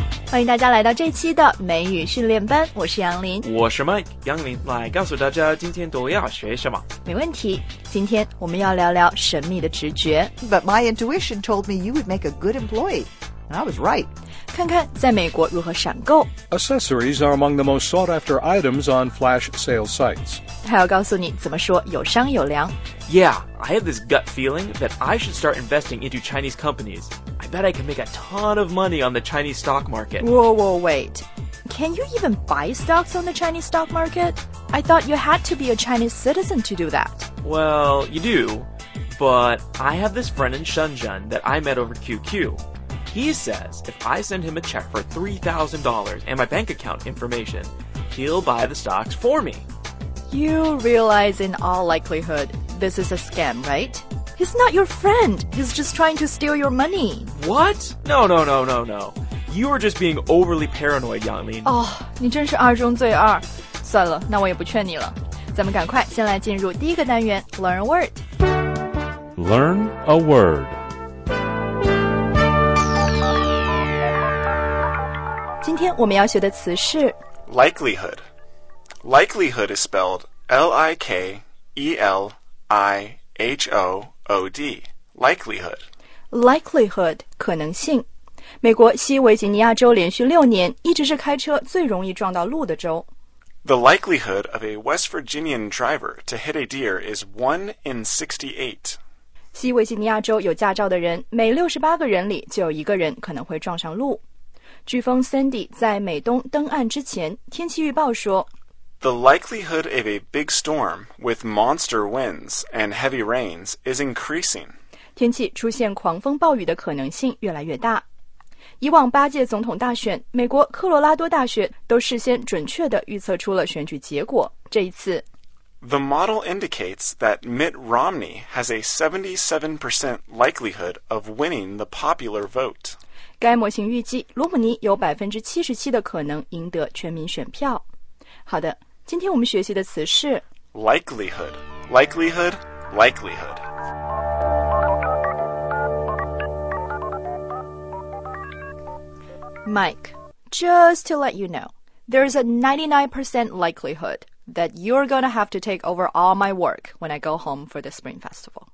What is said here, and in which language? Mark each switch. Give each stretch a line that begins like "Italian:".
Chinese: 欢迎大家来到这期的美语训练班，我是杨林，我是 Mike 杨林，来告诉大家今天都要学什么。没问题，今天我们要聊聊神秘的直觉。
English: But my intuition told me you would make a good employee, and I was right.
Chinese: 看看在美国如何闪购。
English: Accessories are among the most sought after items on flash sales sites.
Chinese: 还要告诉你怎么说有商有量。
English: Yeah, I have this gut feeling that I should start investing into Chinese companiesI bet I can make a ton of money on the Chinese stock market. Whoa, wait. Can you even buy stocks on the Chinese stock market? I thought you had to be a Chinese citizen to do that. Well, you do. But I have this friend in Shenzhen that I met over QQ. He says if I send him a check for $3,000 and my bank account information, he'll buy the stocks for me. You realize in all likelihood, this is a scam, right? He's not your friend. He's just trying to steal your money. What? No. You are just being overly paranoid, Yanglin.
Chinese: Oh, 你真是二中最二。算了，那我也不劝你了。咱们赶快先来进入第一个单元 ,
English: Learn a Word. Learn a Word.
Chinese: 今天我们要学的词是
English: Likelihood. Likelihood is spelled L-I-K-E-L-I-H-O-D, likelihood.
Chinese: Likelihood, 可能性。美国西维吉尼亚州连续六年一直是开车最容易撞到鹿的州。
English: The likelihood of a West Virginian driver to hit a deer is 1 in 68.
Chinese: 西维吉尼亚州有驾照的人每68个人里就有一个人可能会撞上鹿。飓风 Sandy 在美东登岸之前天气预报说
English: The likelihood of a big storm with monster winds and heavy rains is increasing.
Chinese: 天气出现狂风暴雨的可能性越来越大。以往八届总统大选，美国科罗拉多大学都事先准确地预测出了选举结果。这一次
English: The model indicates that Mitt Romney has a 77% likelihood of winning the popular vote.
Chinese: 该模型预计罗姆尼有 77% 的可能赢得全民选票。好的，今天我们学习的词是
English: likelihood, likelihood, likelihood. Mike, just to let you know, there's a 99% likelihood that you're going to have to take over all my work when I go home for the Spring Festival.